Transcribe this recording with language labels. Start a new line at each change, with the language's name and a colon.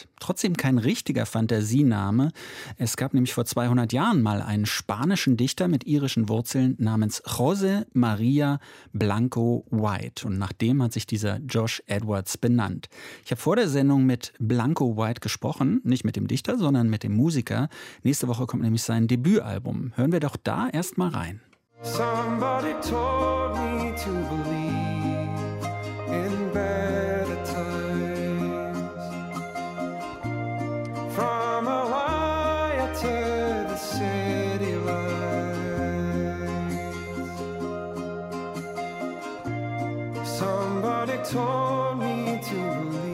German: Trotzdem kein richtiger Fantasiename. Es gab nämlich vor 200 Jahren mal einen spanischen Dichter mit irischen Wurzeln namens José María Blanco White. Und nach dem hat sich dieser Josh Edwards benannt. Ich habe vor der Sendung mit Blanco White gesprochen. Nicht mit dem Dichter, sondern mit dem Musiker. Nächste Woche kommt nämlich sein Debütalbum. Hören wir doch da erstmal rein.
English: Somebody told me to believe in better times. From Hawaii to the city lights. Somebody told me to